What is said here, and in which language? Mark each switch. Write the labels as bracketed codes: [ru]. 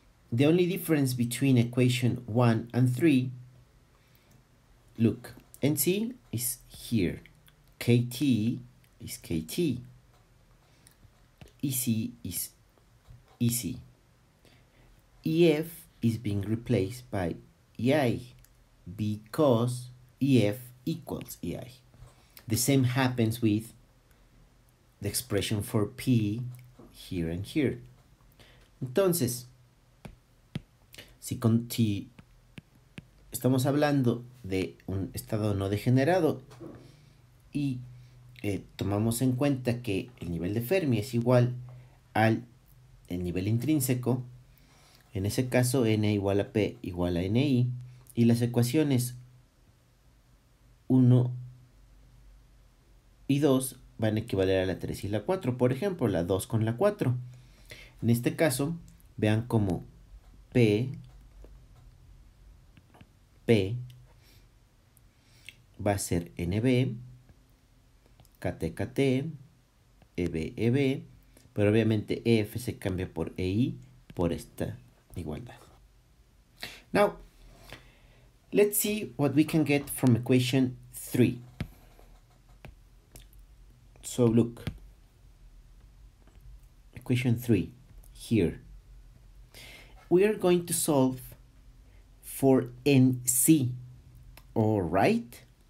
[en] The only difference between equation 1 and 3, look, NC is here, KT is KT, EC is EC, EF is being replaced by EI because EF equals EI. The same happens with the expression for P here and here. [es] Entonces, si con T estamos hablando de un estado no degenerado y tomamos en cuenta que el nivel de Fermi es igual al el nivel intrínseco, en ese caso N igual a P igual a NI y las ecuaciones 1 y 2 van a equivaler a la 3 y la 4, por ejemplo, la 2 con la 4. En este caso, vean cómo P va a ser NB, KT, KT, EB, EB, pero obviamente EF se cambia por EI por esta igualdad. [en] Now, let's see what we can get from equation 3. So look, equation 3 here. We are going to solve for NC, all right?